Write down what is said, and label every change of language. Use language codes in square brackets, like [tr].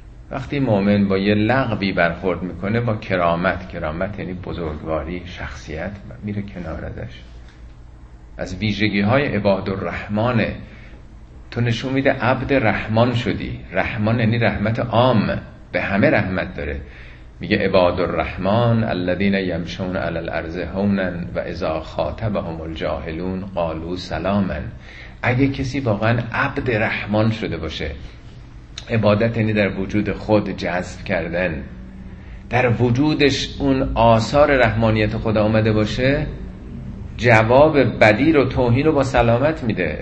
[fa] وقتی مؤمن با یه لغوی برخورد میکنه با کرامت، کرامت یعنی بزرگواری شخصیت، میره کنار ازش. از ویژگی های عباد الرحمنه، تو نشون میده عبد رحمان شدی. رحمان یعنی رحمت عام، به همه رحمت داره. [ar] میگه عباد الرحمن الذين يمشون على الارض هونا و اذا خاطبهم الجاهلون قالوا سلاما. [fa] اگه کسی واقعا عبد رحمان شده باشه، عبادت یعنی در وجود خود جذب کردن، در وجودش اون آثار رحمانیت خدا اومده باشه، جواب بدی رو توهین رو با سلامت میده.